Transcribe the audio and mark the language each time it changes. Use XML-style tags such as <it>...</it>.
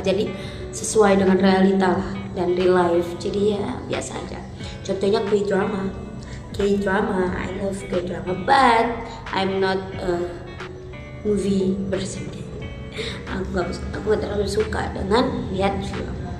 <id>Jadi sesuai dengan realita dan real life. Jadi ya biasa aja. Contohnya K-drama.</id> <en>K-drama, I love K-drama, but I'm not a movie person.</en> <id>Aku gak terlalu suka dengan lihat film.</id>